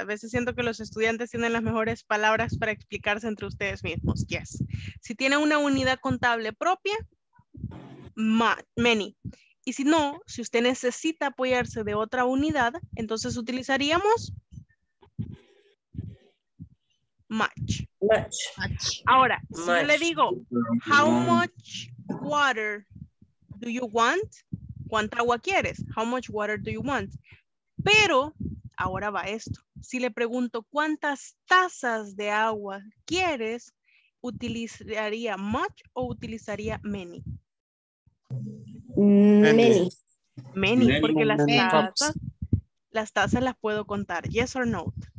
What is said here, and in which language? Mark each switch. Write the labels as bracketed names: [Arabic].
[Spanish] A veces siento que los estudiantes tienen las mejores palabras para explicarse entre ustedes mismos. Yes. Si tiene una unidad contable propia, many. Y si no, si usted necesita apoyarse de otra unidad, entonces utilizaríamos much. Much. Ahora, much. Si yo le digo, [English] how much water do you want? [Spanish] ¿Cuánta agua quieres? [English] How much water do you want? [Spanish] Pero, ahora va esto, si le pregunto cuántas tazas de agua quieres, ¿utilizaría much o utilizaría many? [English] Many, [Spanish] porque las tazas las puedo contar, [English] yes or no?